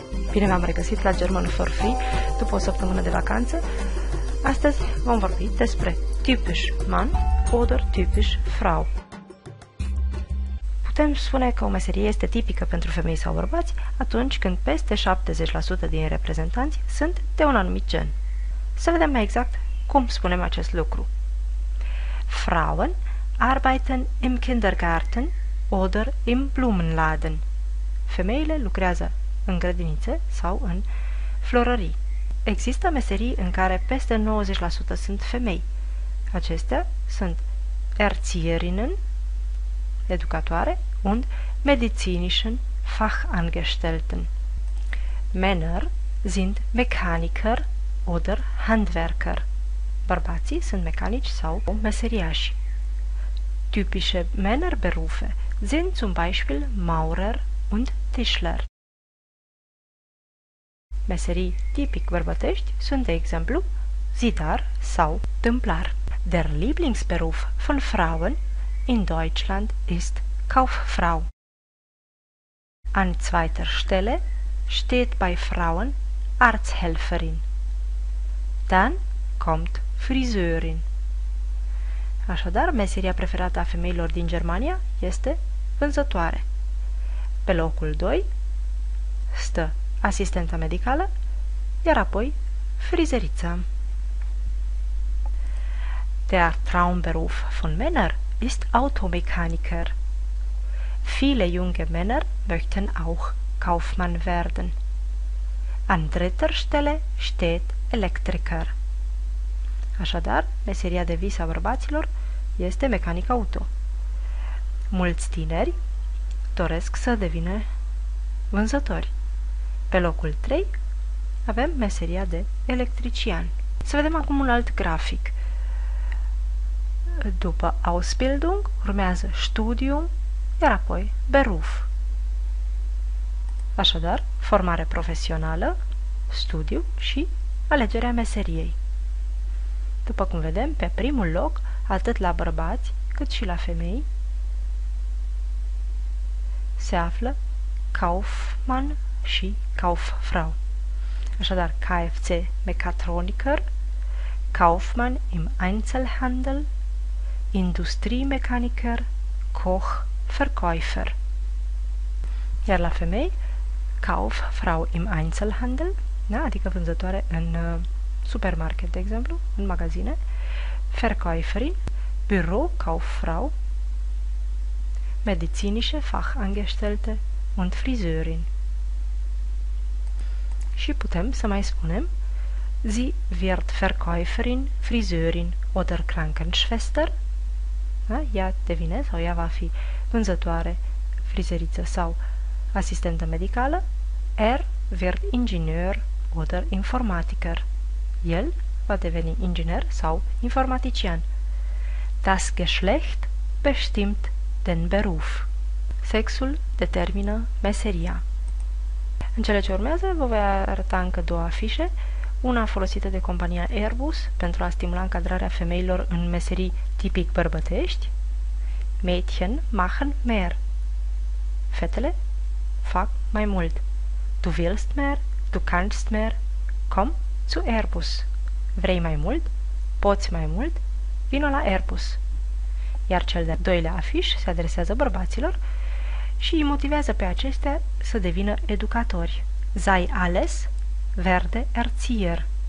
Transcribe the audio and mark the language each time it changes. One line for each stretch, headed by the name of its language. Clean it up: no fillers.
Romanian: Bine v-am regăsit la German for Free, după o săptămână de vacanță. Astăzi vom vorbi despre
German: typisch Mann oder typisch Frau.
Romanian: Putem spune că o meserie este tipică pentru femei sau bărbați atunci când peste 70% din reprezentanți sunt de un anumit gen. Să vedem mai exact cum spunem acest lucru.
German: Frauen arbeiten im Kindergarten oder im Blumenladen.
Romanian: Femeile lucrează în grădinițe sau în florării. Există meserii în care peste 90% sunt femei. Acestea sunt
German: Erzieherinnen,
Romanian: educatoare,
German: und medizinischen Fachangestellten. Männer sind Mechaniker oder Handwerker.
Romanian: Bărbații sunt mecanici sau meseriași.
German: Typische Männerberufe sind zum Beispiel Maurer und Tischler.
Romanian: Meserii tipic bărbătești sunt, de exemplu, zidar sau tâmplar.
German: Der Lieblingsberuf von Frauen in Deutschland ist Kauffrau. An zweiter Stelle steht bei Frauen Arzthelferin. Dann kommt Friseurin.
Romanian: Așadar, meseria preferată a femeilor din Germania este vânzătoare. Pe locul 2 stă asistenta medicală, iar apoi frizerița.
German: Der Traumberuf von Männern ist Automechaniker. Viele junge Männer möchten auch Kaufmann werden. An dritter Stelle steht Elektriker.
Romanian: Așadar, meseria de vis a bărbaților este mecanic auto. Mulți tineri doresc să devină vânzători. Pe locul 3 avem meseria de electrician. Să vedem acum un alt grafic. După Ausbildung urmează Studium, iar apoi Beruf. Așadar, formare profesională, studiu și alegerea meseriei. După cum vedem, pe primul loc, atât la bărbați cât și la femei, se află Kaufmann și Kauffrau. Așadar,
German: KFC Mechatroniker, Kaufmann im Einzelhandel, Industriemechaniker, Koch, Verkäufer.
Romanian: Iar la femei,
German: Kauffrau im Einzelhandel,
Romanian: da, adică vânzătoare în supermarket, de exemplu, în magazine, Verkäuferin, Büro, Kauffrau,
German: Medizinische Fachangestellte und Friseurin.
Romanian: Și putem să mai spunem,
German: sie wird Verkäuferin, Friseurin oder Krankenschwester.
Romanian: Da? Ea devine sau ea va fi vânzătoare, frizeriță sau asistentă medicală.
German: Er wird Ingenieur oder Informatiker.
Romanian: El va deveni inginer sau informatician.
German: Das Geschlecht bestimmt den Beruf.
Romanian: Sexul determină meseria. În cele ce urmează, vă voi arăta încă două afișe, una folosită de compania Airbus pentru a stimula încadrarea femeilor în meserii tipic bărbătești.
German: Mädchen machen mehr.
Romanian: Fetele fac mai mult.
German: Du willst mehr, du kannst mehr, komm zu Airbus.
Romanian: Vrei mai mult, poți mai mult, vino la Airbus. Iar cel de-al doilea afiș se adresează bărbaților și îi motivează pe acestea să devină educatori.
German: Sei alles, werde Erzieher.